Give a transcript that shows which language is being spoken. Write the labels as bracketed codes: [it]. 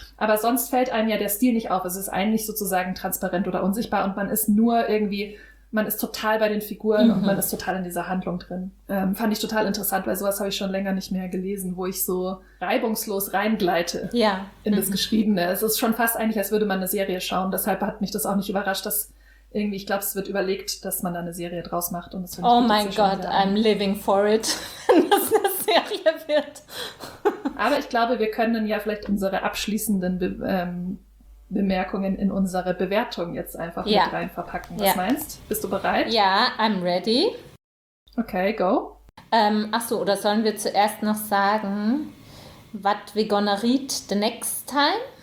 [de] Aber sonst fällt einem ja der Stil nicht auf. Es ist eigentlich sozusagen transparent oder unsichtbar und man ist nur irgendwie, man ist total bei den Figuren und man ist total in dieser Handlung drin. Fand ich total interessant, weil sowas habe ich schon länger nicht mehr gelesen, wo ich so reibungslos reingleite in das Geschriebene. Es ist schon fast eigentlich, als würde man eine Serie schauen. Deshalb hat mich das auch nicht überrascht, dass irgendwie, ich glaube, es wird überlegt, dass man da eine Serie draus macht. Und das [en] oh [de] mein Gott, [en] I'm living for it. [de] Wird. Aber ich glaube, wir können dann ja vielleicht unsere abschließenden Bemerkungen in unsere Bewertung jetzt einfach mit rein verpacken. Was meinst? Bist du bereit? Ja, [en] I'm ready. Okay, go. [de] Achso, oder sollen wir zuerst noch sagen, [en] what we gonna read the next time?